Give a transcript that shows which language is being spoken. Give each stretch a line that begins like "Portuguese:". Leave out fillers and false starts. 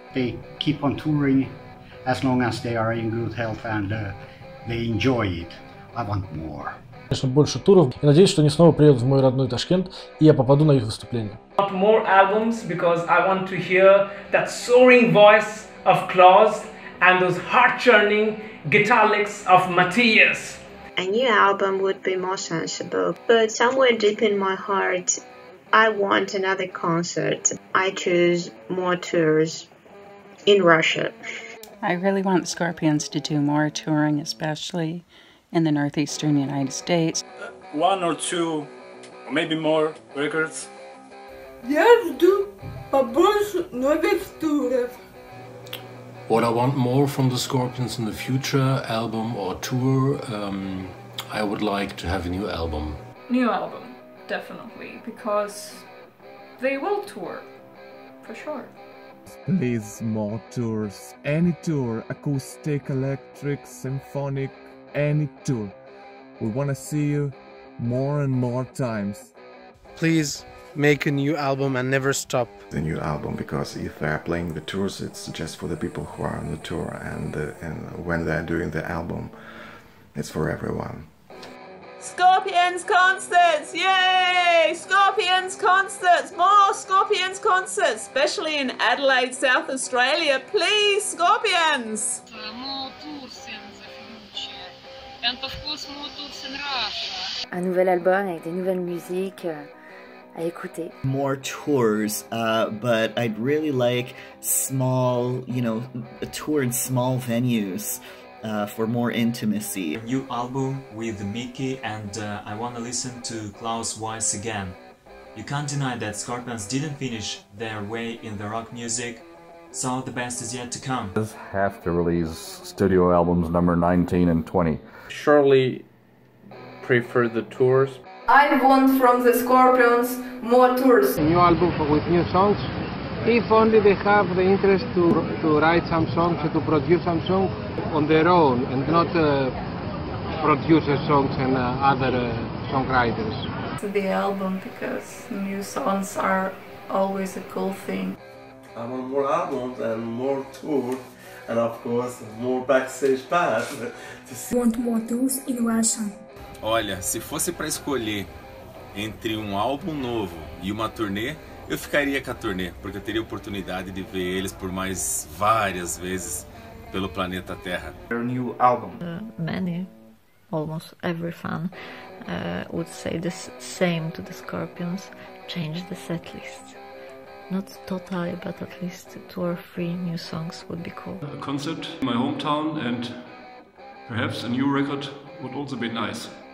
English: They keep on touring as long as they are in good health and they enjoy it. I want more.
Russian: Конечно, больше туров. Я надеюсь, что они снова приедут в мой родной Ташкент, и я попаду на их выступление.
English: I want more albums because I want to hear that soaring voice of Klaus and those heart-churning guitar licks of Matthias. A new album would be more sensible, but somewhere deep in my heart, I want another concert. I choose more tours in Russia. I really want Scorpions to do more touring, especially in the northeastern United States. One or two, maybe more records.
Russian: Я жду побольше новых туров.
English: What I want more from the Scorpions in the future, album or tour, I would like to have a new album. New album, definitely, because they will tour, for sure. Please, more tours, any tour, acoustic, electric, symphonic, any tour. We want to see you more and more times. Please make a new album and never stop. The new album, because if they are playing the tours, it's just for the people who are on the tour, and when they are doing the album, it's for everyone. Scorpions concerts! Yay! Scorpions concerts! More Scorpions concerts, especially in Adelaide, South Australia. Please, Scorpions!
French: A nouvel album avec des nouvelles musiques à écouter.
English: More tours, but I'd really like small, you know, a tour in small venues for more intimacy. A new album with Mickey, and I want to listen to Klaus Weiss again. You can't deny that Scorpions didn't finish their way in the rock music. So the best is yet to come. They have to release studio albums number 19 and 20. Surely prefer the tours. I want from the Scorpions more tours. A new album with new songs. If only they have the interest to write some songs or to produce some songs on their own and not producer songs and other songwriters. To the album, because new songs are always a cool thing. I want more albums and more tours, and of course more backstage pass. Want more tours in Russia.
Portuguese: Olha, se fosse para escolher entre um álbum novo e uma turnê, eu ficaria com a turnê, porque eu teria a oportunidade de ver eles por mais várias vezes pelo planeta Terra.
English: Their new album. Many, almost every fan would say the same to the Scorpions: change the set list. Not totally, but at least two or three new songs would be cool. A concert in my hometown and perhaps a new record would also be nice.